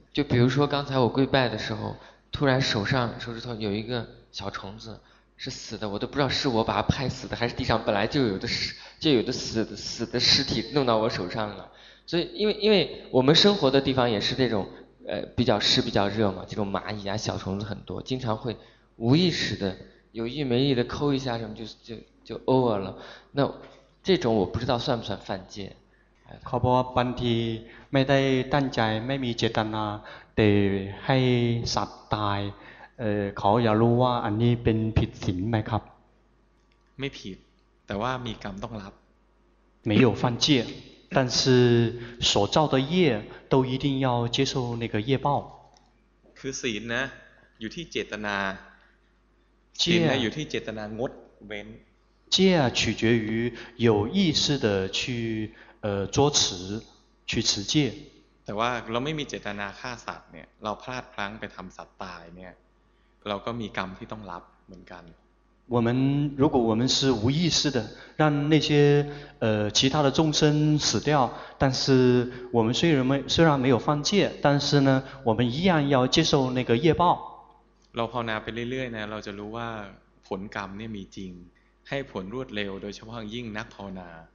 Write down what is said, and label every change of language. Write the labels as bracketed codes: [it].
[zh] 就比如说刚才我跪拜的时候，突然手指头有一个小虫子是死的，我都不知道是我把它拍死的，还是地上本来就有的死的尸体弄到我手上了。所以因为我们生活的地方也是这种比较湿比较热嘛，这种蚂蚁啊小虫子很多，经常会。无意识的有意没意的抠一下什么就 over 了那这种我不知道算不算犯戒 [th] เขาบอกว่าบางทีไม่ได้ตั้งใจไม่มีเจตนาแต่ให้สัตว์ตายเขาอยากรู้ว่าอันนี้เป็นผิดศีลไหมครับ ไม่ผิดแต่ว่ามีกรรมต้องรับ [zh] 没有犯戒但是所造的业都一定要接受那个业报 [th] คือศีลนะอยู่ที่เจตนา เจีย อยู่ที่เจตนางดเว้น [zh] เจีย取决于有意识的去捉持去持戒 [th] แต่ว่าเราไม่มีเจตนาฆ่าสัตว์เนี่ยเราพลาดพลั้งไปทำสัตว์ตายเนี่ยเราก็มีกรรมที่ต้องรับเหมือนกัน [zh] 我们如果我们是无意识的让那些其他的众生死掉但是我们虽然没有犯戒但是呢我们一样要接受那个业报 [th] เราภาวนาไปเรื่อยๆนะเราจะรู้ว่าผลกรรมเนี่ยมีจริงให้ผลรวดเร็วโดยเฉพาะยิ่งนักภาวนา